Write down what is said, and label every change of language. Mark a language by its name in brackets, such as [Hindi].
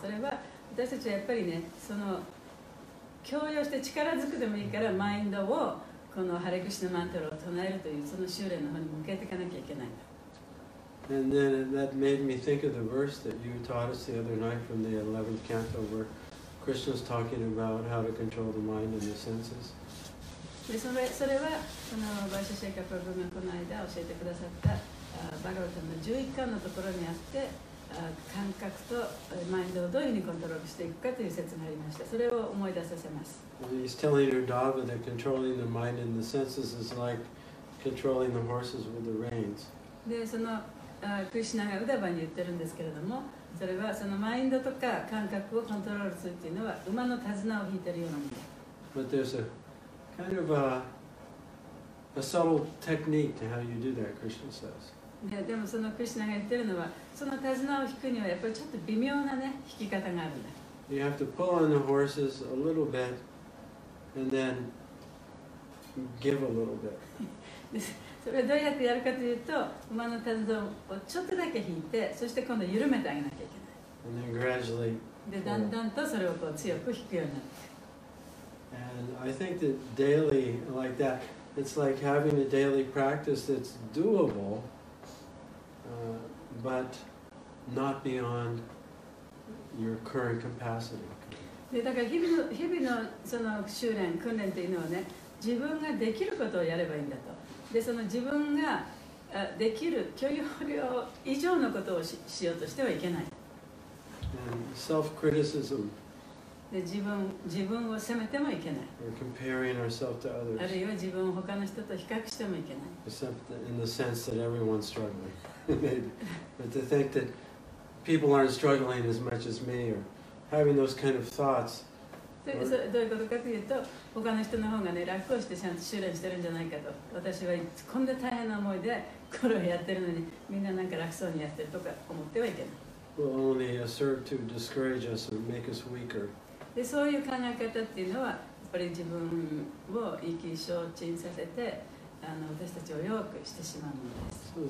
[Japanese] それは私たちはやっぱりね、その強要して力づくでもいいからマインドをこのハレクシナマントラを唱えるというその修練の方に向けていかなきゃいけないんだ。 [English] And then that made me think of the verse that you taught us the other night from the 11th canto where Krishna's talking about how to control the mind and the senses. [Japanese] で、それはそのバイシャシェイカプラブがこの間教えてくださったバガヴァタの11巻のところにあって、感覚とマインドをどういうふうにコントロールしていくかという説がありました。それを思い出させます。 [English] He's telling Uddhava that controlling the mind and the senses is like controlling the horses with the reins. [Japanese] で、そのクリシナがウダバに言ってるんですけれども、それはそのマインドとか感覚をコントロールするっていうのは馬の手綱を引いてるようなもの。 [English] But there's a kind of a subtle technique to how you do that, Krishna says. [Japanese] でもそのクリシナが言ってるのは、その手綱を引くにはやっぱりちょっと微妙なね引き方があるんだ。 [English] You have to pull on the horses a little bit. And then give a little bit. [Japanese] それどうやってやるかというと、馬の手綱をちょっとだけ引いて、そして今度緩めてあげなきゃいけない。 [English] And then gradually. [Japanese] で、だんだんとそれをこう強く引くようになって。 [English] And I think that daily like that, it's like having a daily practice that's doable, but not beyond your current capacity. [Japanese] でだから日々のその修練訓練というのはね、自分ができることをやればいいんだと。でその自分ができる許容量以上のことを しようとしてはいけない。 [English] self-criticism。 [Japanese] で自分を責めてもいけない。 [English] Or comparing ourselves to others。 [Japanese] あるいは自分を他の人と比較してもいけない。 [English] Except in the sense that everyone's struggling, maybe. But to think that people aren't struggling as much as me or having those kind of thoughts. [Japanese] どういうことかというと、他の人の方がね、楽をしてちゃんと修練してるんじゃないかと。私はこんな大変な思いでこれをやってるのに、みんななんか楽そうにやってるとか思ってはいけない。 [English] Will only serve to discourage us or make us weaker. [Japanese] で、そういう考え方っていうのは、やっぱり自分を意気消沈させて、私たちを弱くしてしまうものです。